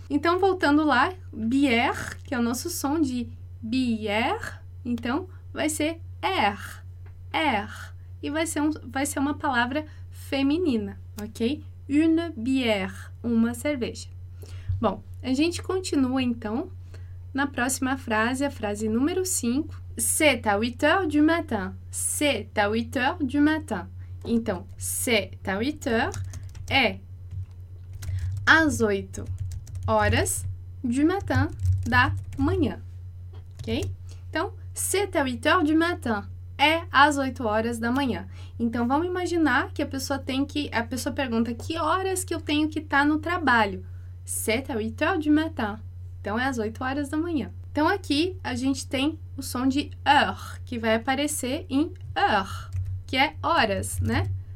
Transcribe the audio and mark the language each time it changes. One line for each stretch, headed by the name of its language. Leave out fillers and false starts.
Portuguese: Então, voltando lá, bière, que é o nosso som de bière, então, vai ser er, er, e vai ser uma palavra feminina, ok?
French: Une bière,
Portuguese: uma cerveja. Bom, a gente continua, então, na próxima frase, a frase número 5.
French: C'est à 8 heures du matin. C'est à 8 heures du matin. Então, c'est à 8 heures é
Portuguese: às 8 horas
French: du matin,
Portuguese: da manhã. Ok?
French: Então, c'est à 8 heures du matin.
Portuguese: É às 8 horas da manhã. Então, vamos imaginar que a pessoa tem que... A pessoa pergunta que horas que eu tenho que estar no trabalho.
French: C'est à 8 heures du matin.
Portuguese: Então, é às 8 horas da manhã. Então, aqui, a gente tem o som de heure, que vai aparecer em heure, que é horas, né?